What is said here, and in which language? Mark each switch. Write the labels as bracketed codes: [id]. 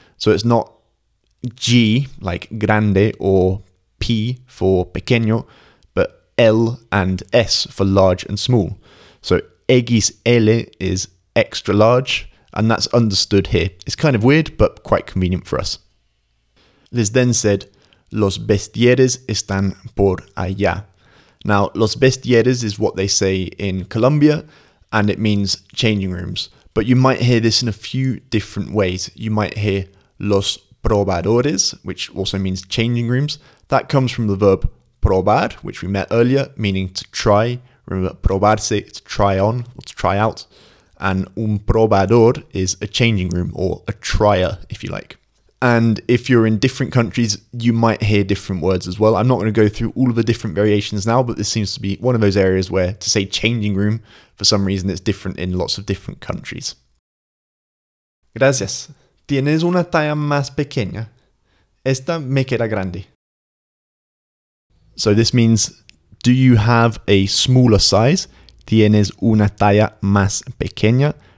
[en] So it's not G, like grande, or P for pequeño, but L and S for large and small. So XL is extra large, and that's understood here. It's kind of weird, but quite convenient for us. Liz then said, [es] los vestieres están por allá. [en] Now, [es] los vestieres [en] is what they say in Colombia, and it means changing rooms. But you might hear this in a few different ways. You might hear [es] los probadores, [en] which also means changing rooms. That comes from the verb probar, which we met earlier, meaning to try. Remember, probarse, to try on, or to try out. And [es] un probador [en] is a changing room, or a trier, if you like. And if you're in different countries, you might hear different words as well. I'm not going to go through all of the different variations now, but this seems to be one of those areas where to say changing room, for some reason, it's different in lots of different countries. [es] Gracias. ¿Tienes una talla más pequeña? Esta me queda grande. [en] So this means, do you have a smaller size? [es] ¿Tienes una talla más pequeña?